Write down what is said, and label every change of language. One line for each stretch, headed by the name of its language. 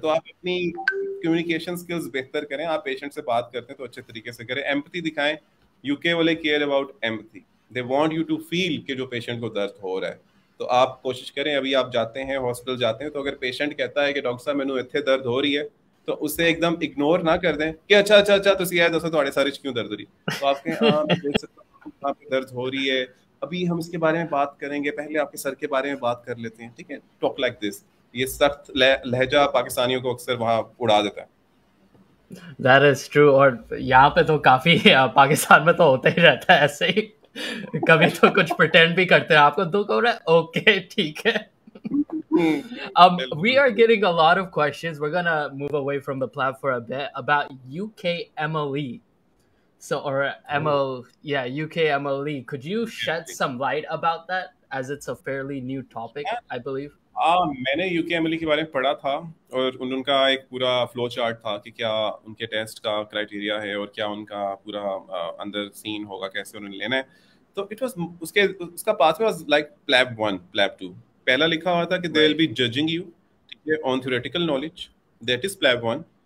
Hindi: तो आप अपनी कम्युनिकेशन स्किल्स बेहतर करें, आप पेशेंट से बात करते हैं तो अच्छे तरीके से करें, एम्पथी दिखाएं, यूके वाले
English: care about empathy, they want you to feel
Hindi: कि जो पेशेंट को दर्द हो रहा है, तो आप कोशिश करें, अभी आप जाते हैं हॉस्पिटल जाते हैं, तो अगर पेशेंट कहता है कि डॉक्टर साहब मैनू इतने दर्द हो रही है, तो उसे एकदम इग्नोर ना कर दें कि अच्छा अच्छा अच्छा तुम आए दसो तुम्हारे सारे क्यों दर्द हो रही, तो आप कहें हाँ देख सकता हूँ कहाँ पे दर्द हो रही है, अभी हम इसके बारे में बात करेंगे, पहले आपके सर के बारे में बात कर लेते हैं, ठीक है?
English: talk like this,
Hindi: ये सख्त लहजा पाकिस्तानियों को अक्सर वहां उड़ा देता है।
English: That is true.
Hindi: और यहाँ पे तो काफी पाकिस्तान में तो होता ही रहता है ऐसे ही, कभी तो कुछ प्रिटेंड भी करते हैं, आपको दुख हो रहा है, ओके ठीक है.
English: We are getting a lot of questions. We're gonna move away from the plan for a bit about UKMLE. So, or ML, yeah, UKMLE. Could you shed some light about that as it's a fairly new topic, I believe.
Hindi: मैंने UK MLE के बारे में पढ़ा था और उनका एक पूरा फ्लो चार्ट था कि क्या उनके टेस्ट का क्राइटेरिया है और क्या उनका पूरा अंदर सीन होगा, कैसे उन्होंने लेना है. तो इट वाज उसके उसका pathway was like PLAB 1 PLAB 2. पहला लिखा हुआ था कि
English: They will be judging you on theoretical knowledge, that is PLAB 1.